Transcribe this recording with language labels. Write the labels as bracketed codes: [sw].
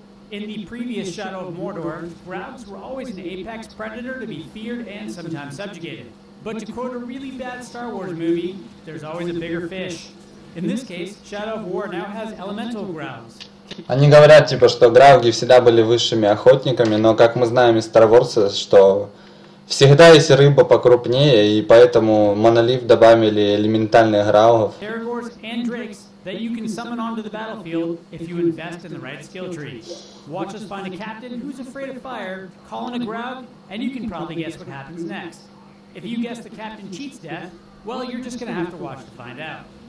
[en] In the previous Shadow of Mordor, Grounds were always an apex predator to be feared and sometimes subjugated. But to quote a really bad Star Wars movie, there's always a bigger fish. In this case, Shadow of War now has elemental Grounds. [ru] Они говорят, типа, что Граугги всегда были высшими охотниками, но как мы знаем из Star Wars, что всегда есть рыба покрупнее, и поэтому Монолив добавили элементальных Граугов. [en] Terrigors and Drakes that you can summon onto the battlefield if you invest in the right skill tree. Watch us find a captain who's afraid of fire, call in a Graug, and you can probably guess what happens next. If you guess the captain cheats death, well, you're just gonna have to watch to find out.